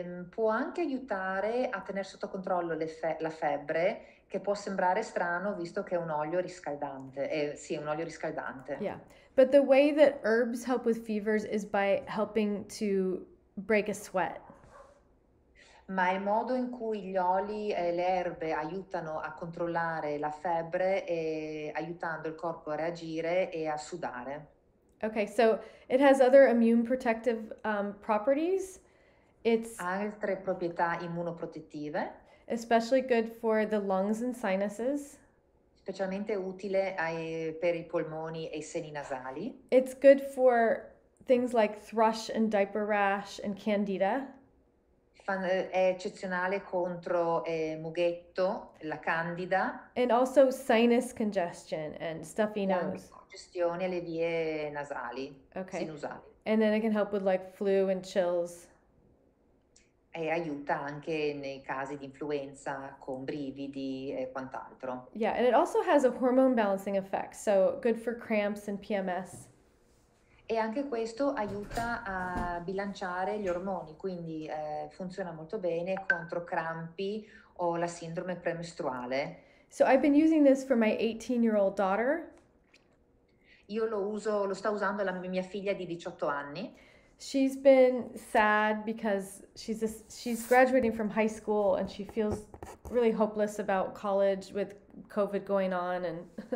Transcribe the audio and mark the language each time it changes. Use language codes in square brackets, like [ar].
[it] Può anche aiutare a tenere sotto controllo la febbre, che può sembrare strano visto che è un olio riscaldante. Sì, è un olio riscaldante. [en] Yeah, but the way that herbs help with fevers is by helping to break a sweat. [it] Ma il modo in cui gli oli e le erbe aiutano a controllare la febbre e aiutando il corpo a reagire e a sudare. [en] Okay, so it has other immune protective properties. It's [it] altre proprietà immunoprotettive. [en] Especially good for the lungs and sinuses. [it] Specialmente utile per i polmoni e i seni nasali. [en] It's good for things like thrush and diaper rash and candida. [it] È eccezionale contro mughetto, la candida. [en] And also sinus congestion and stuffy nose. [it] Congestione alle vie nasali, okay. Sinusali. [en] And then it can help with like flu and chills. [it] E aiuta anche nei casi di influenza con brividi e quant'altro. [en] Yeah, and it also has a hormone balancing effect, so good for cramps and PMS. [it] E anche questo aiuta a bilanciare gli ormoni, quindi funziona molto bene contro crampi o la sindrome premestruale. [en] So I've been using this for my 18-year-old daughter. [it] Io lo sto usando la mia figlia di 18 anni. [en] She's been sad because she's graduating from high school and she feels really hopeless about college with COVID going on and...